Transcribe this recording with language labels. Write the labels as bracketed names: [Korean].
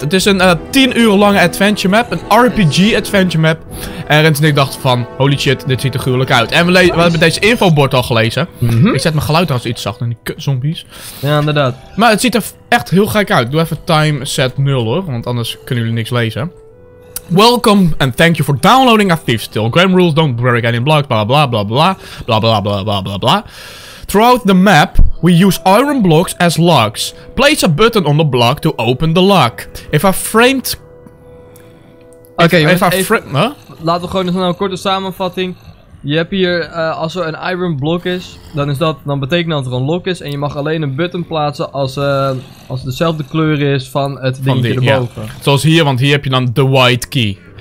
[Dutch] Het is een 10 uur lange adventure map. Een RPG adventure map. En Rens en ik dachten van, holy shit, dit ziet er gruwelijk uit. En we hebben deze infobord al gelezen. Mm-hmm. Ik zet mijn geluid als iets zachter in die kutzombies. Ja, inderdaad. Maar het ziet er echt heel gek uit. Ik doe even time set 0 hoor, want anders kunnen jullie niks lezen. [English] Welcome and thank you for downloading a Thief Steel. Grand rules, don't break any blocks, blah blah blah blah blah blah blah blah blah blah. Throughout the map, we use iron blocks as locks. Place a button on the block to open the lock. If a framed... [Dutch] Oké, laten we gewoon eens naar een korte samenvatting. Je hebt hier, als er een iron block is, dan betekent dat er een lock is. En je mag alleen een button plaatsen als dezelfde kleur is van het dingetje erboven. [English] Yeah. [Dutch] Zoals hier, want hier heb je dan de white key.